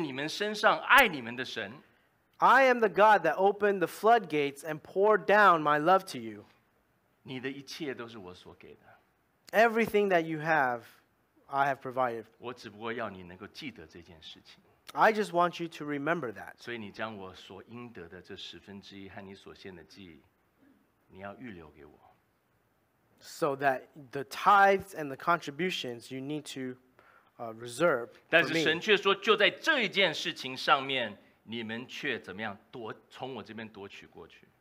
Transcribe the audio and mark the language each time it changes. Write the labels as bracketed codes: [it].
[zh] 我是那将天上的这个祝福打开倾倒于你们身上爱你们的神。 [en] I am the God that opened the floodgates and poured down my love to you. [zh] 你的一切都是我所给的。 [en] Everything that you have, I have provided. [zh] 我只不过要你能够记得这件事情。 [en] I just want you to remember that. [zh] 所以你将我所应得的这十分之一和你所献的祭， 你要预留给我。 [en] So that the tithes and the contributions you need to reserve for me. [zh] 但是神却说就在这一件事情上面， 你们却怎么样夺， 从我这边夺取过去。